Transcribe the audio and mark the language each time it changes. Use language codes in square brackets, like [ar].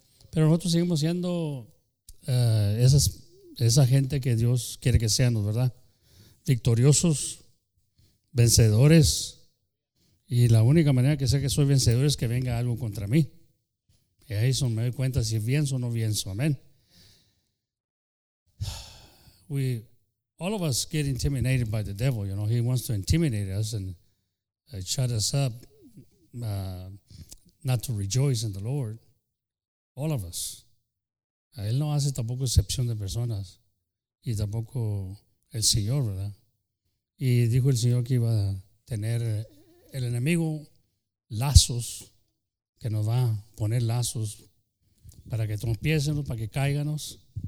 [es] Pero nosotros seguimos siendo esa gente que Dios quiere que seamos, ¿verdad? Victoriosos, vencedores. Y la única manera que sé que soy vencedor es que venga algo contra mí. Y ahí son, me doy cuenta si pienso o no pienso. Amén. [en] We, all of us get intimidated by the devil, you know, he wants to intimidate us and shut us up not to rejoice in the Lord, all of us. [es] Él no hace tampoco excepción de personas y tampoco el Señor, ¿verdad? Y dijo el Señor que iba a tener el enemigo lazos, que nos va a poner lazos para que tropiecemos, para que caiganos.